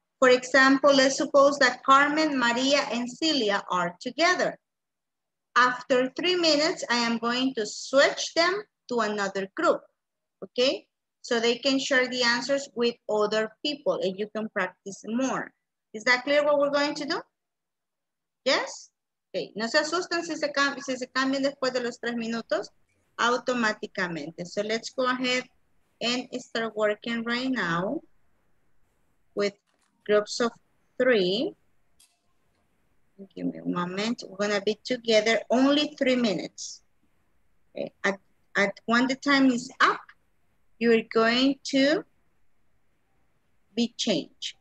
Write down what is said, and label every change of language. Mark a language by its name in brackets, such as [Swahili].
[English] For example, let's suppose that Carmen, Maria, and Celia are together. After 3 minutes, I am going to switch them to another group, okay? So they can share the answers with other people and you can practice more. Is that clear what we're going to do? Yes? [Spanish] Okay, no se asusten si se cambian después de los 3 minutos, automáticamente. [English] So let's go ahead and start working right now with groups of three. Give me a moment. We're going to be together only 3 minutes. Okay. At when the time is up, you're going to be changed.